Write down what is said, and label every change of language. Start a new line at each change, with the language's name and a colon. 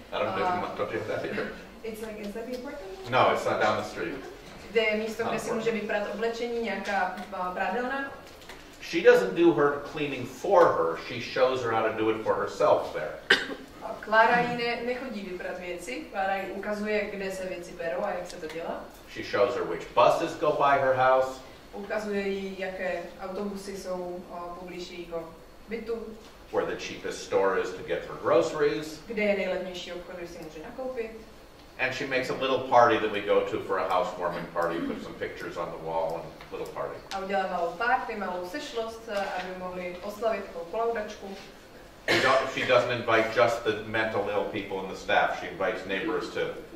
English: I don't know, don't you have that here? It's like, is that the apartment? No, it's not down the street.
Czech: kde je místo, kde si může vyprat oblečení, nějaká prádelna.
English: She doesn't do her cleaning for her. She shows her how to do it for herself there.
Czech: Klára jí nechodí vyprat věci. Klára jí ukazuje, kde se věci berou a jak se to dělá.
English: She shows her which buses go by her house.
Czech: Ukazuje jí, jaké autobusy jsou poblíž jejího bytu.
English: Where the cheapest store is to get her groceries.
Czech: Kde je nejlevnější obchod, kde si může nakoupit.
English: And she makes a little party that we go to for a housewarming party, put some pictures on the wall and little party.
Czech: A udělá malou party, malou sešlost, aby mohli oslavit tu kolaudačku.
English: She doesn't invite just the mental ill people and the staff, she invites neighbors too.